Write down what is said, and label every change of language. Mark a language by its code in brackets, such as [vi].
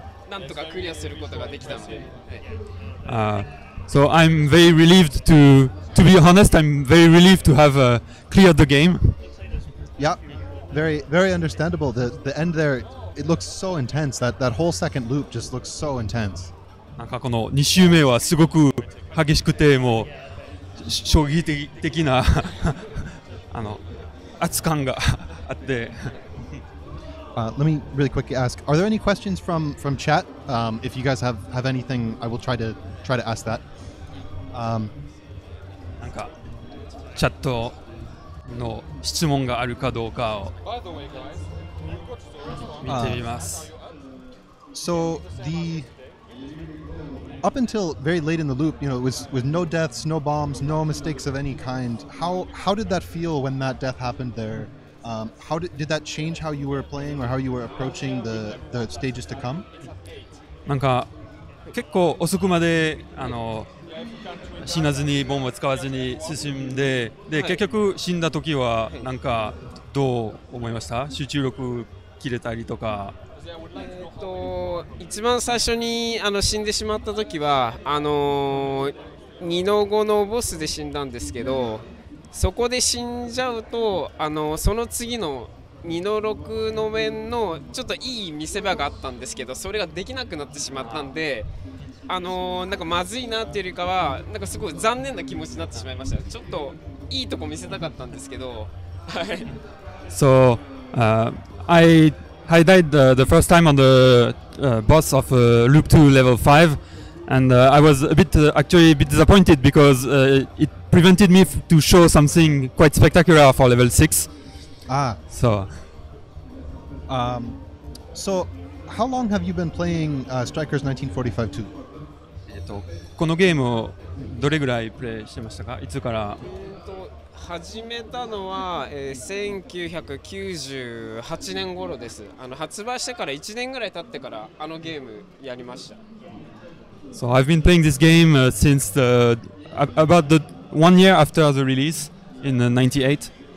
[ja] Nantoka kuriya suru koto ga dekita no de. [en] So I'm very relieved to be honest, I'm very relieved to have cleared the game. Yeah, very, very understandable. The end there, it looks so intense. That whole second loop just looks so intense. [ja] なんかこの2周目はすごく激しくてもう衝撃的な圧感があって。 [en] Let me really quickly ask, are there any questions from chat? If you guys have anything, I will try to ask that. [ja] なんかチャットの質問があるかどうかを見てみます。 [en] So the up until very late in the loop, you know, it was no deaths, no bombs, no mistakes of any kind. How did that feel when that death happened there? How did that change how you were playing or how you were approaching the stages to come? [ja] なんか結構遅くまで死なずにボムを使わずに進んで、で、はい、結局死んだ時はなんかどう思いました？集中力切れたりとか。一番最初に死んでしまった時は2の5のボスで死んだんですけど、そこで死んじゃうとその次の2の6の面のちょっといい見せ場があったんですけど、それができなくなってしまったんで。なんかまずいなっていうよりかはなんかすごい残念な気持ちになってしまいました。ちょっといいとこ見せたかったんですけど。 [en] So I died the first time on the boss of loop 2 level 5 and I was a bit actually a bit disappointed because it prevented me to show something quite spectacular for level 6. Ah. So So how long have you been playing Strikers 1945 2? [ja] このゲームをどれぐらいプレイしてましたか？いつから？始めたのは、1998年頃です。発売してから1年ぐらい経ってからゲームやりました。 [en] So I've been playing this game since the about the 1 year after the release in the 98.